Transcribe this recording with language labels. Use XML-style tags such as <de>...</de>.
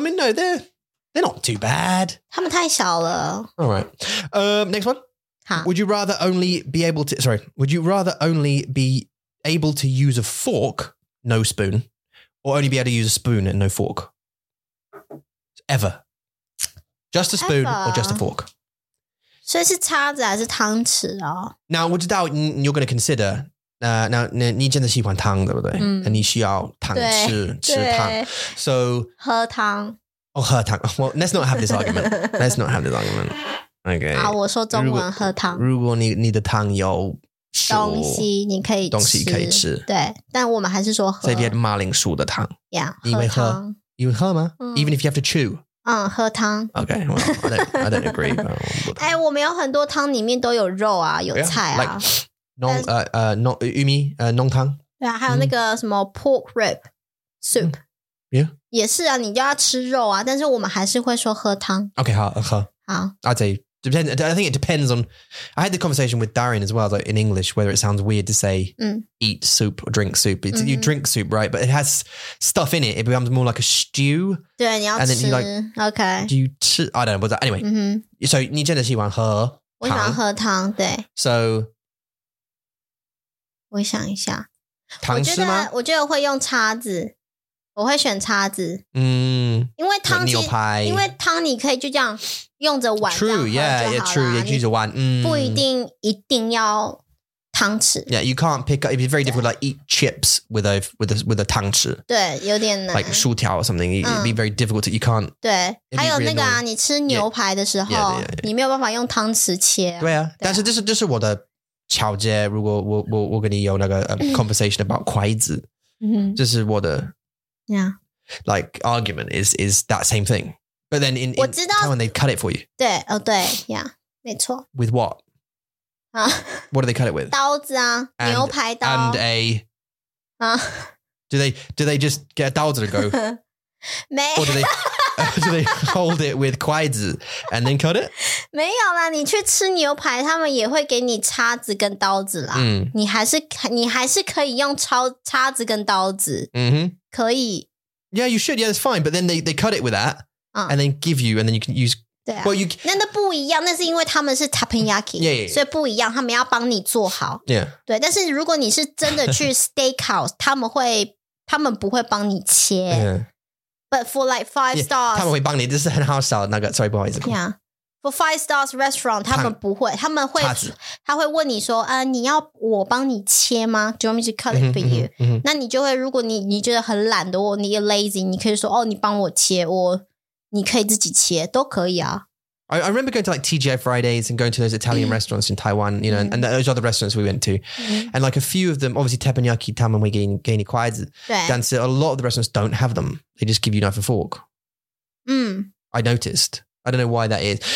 <en>boom, boom, boom, they're not too bad.</en> <zh>他们太小了.</zh> <en>All right. Next one. Huh? Would you rather only be able to use a fork, no spoon, or only be able to use a spoon and no fork? Ever. Just a spoon Ever. Or just a fork.</en> <zh>所以是叉子还是汤匙哦?</zh> <en>Now,</en> <zh>我知道,</zh> <en>you're going to consider... Now,</en> <zh>你真的喜欢汤,对不对? 你需要汤,吃汤.</zh> <en>So...</en> <zh>喝汤.</zh> <en>Oh,</en> <zh>喝汤.</zh> <en>Well, let's not have this argument. Let's not have this argument. Okay.</en> <zh>我说中文,喝汤。如果你的汤有... 东西你可以吃。对,但我们还是说喝。</zh> <en>So if you had</en> <zh>马铃薯的汤?</zh> <en>Yeah,</en> <zh>你会喝汤。</zh> <en>You would 喝吗?Even if you have to chew?</en> <zh>喝汤。</zh> <en>Okay, well, I don't agree. But</en> <zh>我们有很多汤里面都有肉啊,有菜啊。</zh> <en>Yeah, like, 浓汤。</en> <zh>对啊,还有那个什么</zh> <en>pork rib soup. Yeah.</en> <zh>也是啊,你就要吃肉啊,但是我们还是会说喝汤。 Okay, 好,喝。好。</zh> <en>I'd say... Depends, I think it depends on, I had the conversation with Darren as well, like in English, whether it sounds weird to say eat soup or drink soup. It's, mm-hmm. You drink soup, right? But it has stuff in it. It becomes more like a stew.</en> <zh>对,你要吃.</zh> <en>And then you like, okay. Do you I don't know, but anyway. Mm-hmm.</en> <zh>So, 你真的喜欢喝汤?我喜欢喝汤,对.</zh> <en>So.</en> <zh>我想一下. 汤是吗? 我觉得会用叉子。我会选叉子, 因为汤, 牛排, 因为汤你可以就这样用着碗,</zh> <en>true, yeah, yeah, true, yeah,</en> <zh>你就是碗, 不一定要汤匙,</zh> <en>yeah, you can't pick up, it'd be very difficult, like eat chips with a 汤匙,</en> <zh>对,有点难,</zh> <en>like 薯条 or something, it'd be very difficult, you can't,</en> <zh>对,还有那个啊, 你吃牛排的时候,</zh> <en>yeah, yeah, yeah, yeah.</en> <zh>你没有办法用汤匙切, 对啊, 但是这是我的巧姐, 如果我跟你有那个</zh> <en>conversation about</en> <zh>筷子, 这是我的,</zh> <en>Yeah. Like argument is that same thing. But then in Taiwan, they cut it for you.</en> <zh>对, oh, 对, yeah, 没错.</zh> <en>With what? What do they cut it with?</en> <zh>刀子啊, 牛排刀.</zh> <en>And a... Do they just get a 刀子 to go?</en> <zh>没.</zh> <en>Or do they hold it with 筷子 and then cut it?</en> <zh>没有啦, 你去吃牛排, 他们也会给你叉子跟刀子啦. 你还是可以用叉子跟刀子. Mm-hmm. 可以.</zh> <en>Yeah, you should. Yeah, that's fine. But then they cut it with that and then give you, and then you can use.</en> <zh>对啊,</zh> <en>well,</en> <zh>那不一样, 那是因为他们是 teppanyaki.</zh> <en>Yeah, yeah, yeah.</en> <zh>所以不一样, 他们要帮你做好.</zh> <en>Yeah.</en> <zh>对, 但是如果你是真的去 steakhouse, 他们不会帮你切.</zh> <en>Yeah. But for like five stars.</en> <zh>Yeah, 他们会帮你, 这是很好笑的那个, sorry, 不好意思. Yeah.</zh> <en>For five stars restaurant,</en> <zh>他们不会, 他们会, 他会问你说, 你要我帮你切吗?</zh> <en>Do you want me to cut it for you?</en> <zh>那你就会, 如果你觉得很懒的, 你也 lazy, 你可以说, 你帮我切, 你可以自己切, 都可以啊。</zh> <en>I remember going to like TGI Fridays and going to those Italian restaurants in Taiwan, you know, and those other restaurants we went to. And like a few of them, obviously teppanyaki,</en> <zh>他们会给你筷子,</zh> <en>但是 a lot of the restaurants don't have them. They just give you knife and fork. I noticed. I don't know why that is.</en>